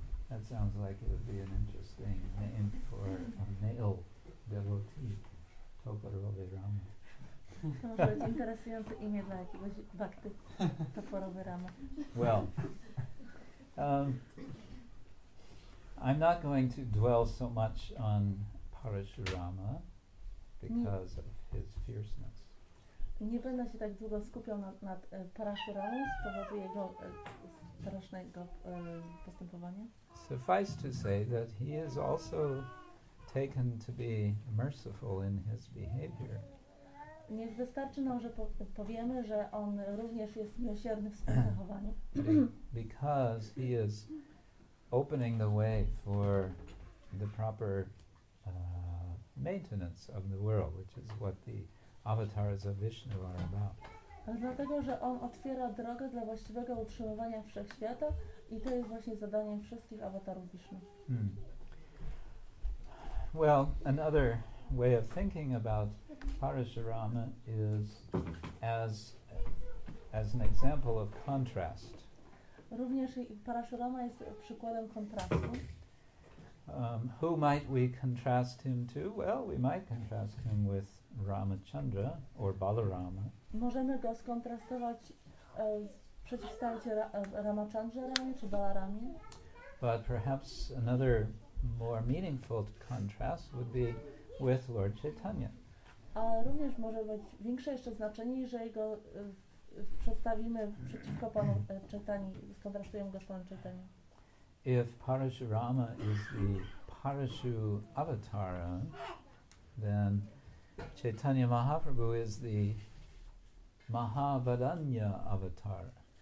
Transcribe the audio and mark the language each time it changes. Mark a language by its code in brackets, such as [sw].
[en] That sounds like it would be an interesting name for a male devotee. [pl] Toporova Rama. To może być interesujące imię dla jakiegoś bhakty. Toporova Rama. [en] Well. I'm not going to dwell so much on Parashurama because of his fierceness. [pl] Nie będę się tak długo skupiał nad Parashuramą z powodu jego strasznego postępowania. [en] Suffice to say that he is also taken to be merciful in his behavior. [pl] Niech wystarczy nam, że powiemy, że on również jest miłosierny w swoim zachowaniu. [en] Because he is opening the way for the proper maintenance of the world, which is what the avatars of Vishnu are about. [pl] Dlatego, że on otwiera drogę dla właściwego utrzymywania wszechświata i to jest właśnie zadanie wszystkich awatarów Vishnu. [en] Well, another way of thinking about Parashurama is as an example of contrast. [pl] Również Parashurama jest przykładem kontrastu. [en] Who might we contrast him to? Well, we might contrast him with Ramachandra or Balarama. [pl] Możemy go skontrastować przeciwstawić Ramachandrze czy Balaramie. [en] But perhaps another more meaningful contrast would be with Lord Chaitanya. [pl] A również może być większe jeszcze znaczenie, że jego przedstawimy przeciwko panu Chaitanyi, skontrastujemy go z panem Chaitanyi. [en] If Parashurama is the Parashu avatara, then Chaitanya Mahaprabhu is the Mahavadanya avatara.